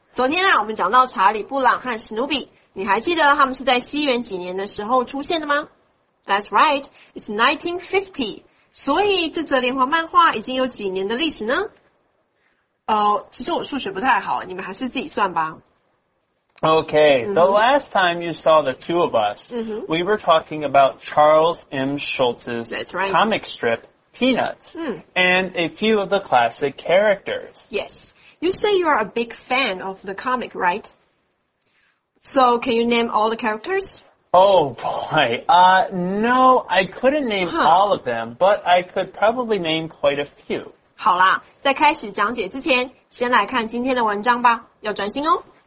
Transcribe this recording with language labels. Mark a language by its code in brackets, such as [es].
[zh] 昨天啊，我们讲到查理、布朗和史努比，你还记得他们是在西元几年的时候出现的吗？ [en] That's right. It's 1950. [zh] 所以这则连环漫画已经有几年的历史呢？其实我数学不太好，你们还是自己算吧。 [en] Okay, the last time you saw the two of us, we were talking about Charles M. Schulz's comic strip, Peanuts, and a few of the classic characters. Yes, you say you are a big fan of the comic, right? So, can you name all the characters? Oh boy, no, I couldn't name all of them, but I could probably name quite a few. [zh] 好啦，在开始讲解之前，先来看今天的文章吧，要专心哦。